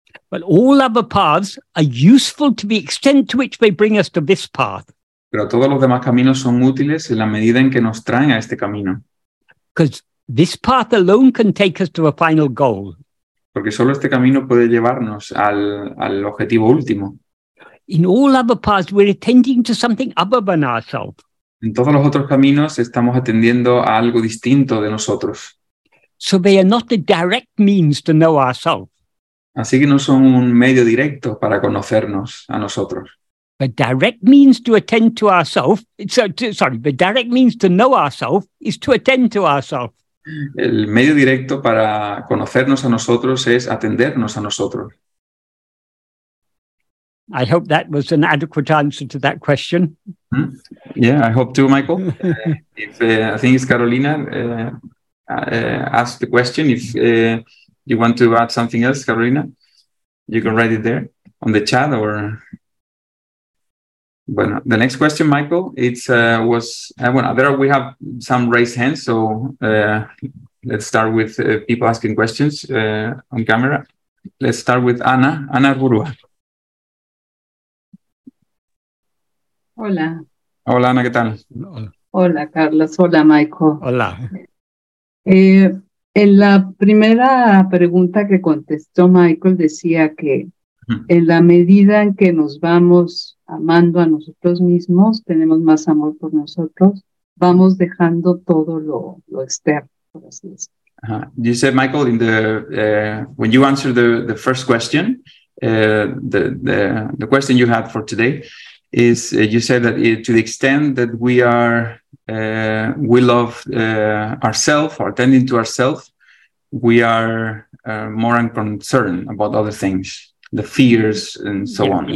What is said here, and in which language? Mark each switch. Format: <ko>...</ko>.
<en>But all other paths are useful to the extent to which they bring us to this path.</en> <es>Pero todos los demás caminos son útiles en la medida en que nos traen a este camino.</es> <en>Because this path alone can take us to a final goal.</en> <es>Porque solo este camino puede llevarnos al objetivo último.</es> <en>In all other paths, we're attending to something other than ourselves.</en> <es>En todos los otros caminos estamos atendiendo a algo distinto de nosotros.</es> <en>So they are not the direct means to know ourselves.</en> <es>Así que no son un medio directo para conocernos a nosotros.</es> <en>The direct means to attend to ourselves. The direct means to know ourselves is to attend to ourselves.</en> <es>El medio directo para conocernos a nosotros es atendernos a nosotros.</es> <en>I hope that was an adequate answer to that question. Yeah, I hope too, Michael. I think it's Carolina asked the question. If you want to add something else, Carolina, you can write it there on the chat. Or bueno, the next question, Michael, we have some raised hands, so let's start with people asking questions on camera. Let's start with Ana Burua.</en> <es>Hola. Hola, Ana, ¿qué tal? Hola, Carlos. Hola, Michael. Hola. En la primera pregunta que contestó Michael decía que en la medida en que nos vamos amando a nosotros mismos, tenemos más amor por nosotros, vamos dejando todo lo externo, por así decirlo.</es> <en>You said, Michael, in the when you answered the first question, the question you had for today is you said that to the extent that we are we love ourselves or attending to ourselves, we are more unconcerned about other things, the fears and so on.</en>